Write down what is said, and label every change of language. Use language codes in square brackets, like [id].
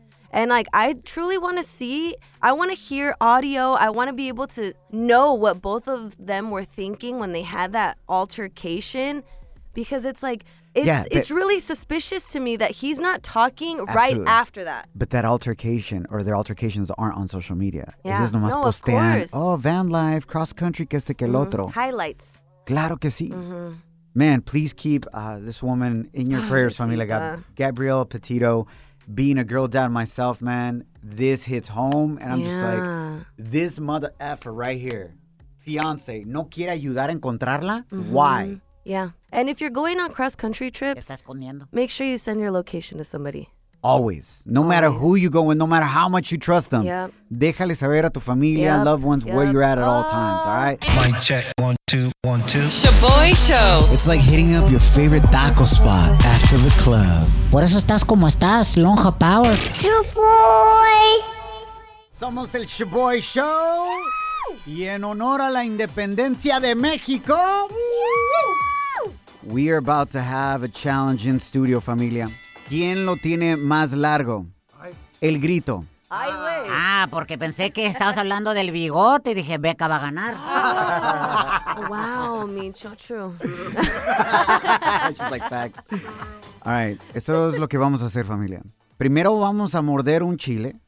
[en] And like, I truly want to see, I want to hear audio. I want to be able to know what both of them were thinking when they had that altercation. Because it's like, it's really suspicious to me that he's not talking right after that. But that altercation or their altercations aren't on social media. Yeah. No, of course. Oh, van life, cross country, [es] que este que el otro. [en] Highlights. [es] Claro que sí. Mm-hmm. [en] Man, please keep this woman in your prayers, familia. Like Gabrielle Petito, being a girl dad myself, man, this hits home. And I'm just like, this mother effer right here, fiance, [es] no quiere ayudar a encontrarla? [en] Mm-hmm. Why? Yeah. And if you're going on cross-country trips, make sure you send your location to somebody. Always. No matter who you go with, no matter how much you trust them. Yep. [es] Déjale saber a tu familia [en] and loved ones where you're at all times, all right? Mic check. 1, 2, 1, 2. Shaboy Show. It's like hitting up your favorite taco spot after the club. [es] Por eso estás como estás, Lonja Power. Shaboy. Somos el Shaboy Show. Y en honor a la independencia de México. [en] We are about to have a challenge in studio, familia. [es] ¿Quién lo tiene más largo? El Grito. ¡Ay, güey! Porque pensé que estabas hablando del bigote y dije, Beca va a ganar. Wow, mi chocho. [en] She's like, facts. All right, [es] eso es lo que vamos a hacer, familia. Primero vamos a morder un chile.